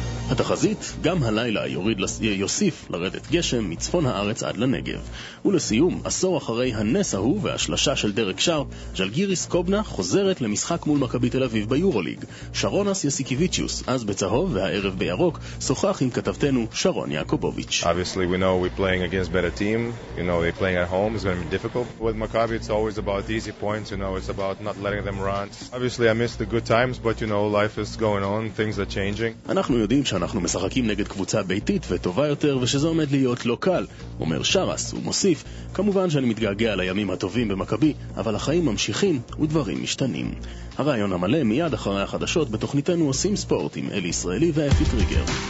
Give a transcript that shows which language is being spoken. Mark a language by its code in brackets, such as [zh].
[he] התחזית, גם הלילה יוסיף לרדת גשם מצפון הארץ עד לנגב. ולסיום, עשור אחרי הנס ההוא והשלשה של דרק שרפ, ז'לגיריס קובנה חוזרת למשחק מול מכבי תל אביב ביורוליג. שרונס יסיקיביצ'וס, אז בצהוב והערב בירוק, שוחח עם כתבתנו שרון יעקובוביץ'. [en] Obviously we know we're playing against better team, you know they're playing at home, it's going to be difficult. With Maccabi it's always about easy points, you know, it's about not letting them run. Obviously I miss the good times, but you know life is going on, things are changing. [he] אנחנו יודעים שאנחנו משחקים נגד קבוצה ביתית וטובה יותר ושזה עומד להיות לא קל, אומר שרס ומוסיף, כמובן שאני מתגעגע לימים הטובים במכבי, אבל החיים ממשיכים ודברים משתנים. הרעיון המלא מיד אחרי החדשות בתוכניתנו עושים ספורט עם אלי ישראלי ואפי טריגר.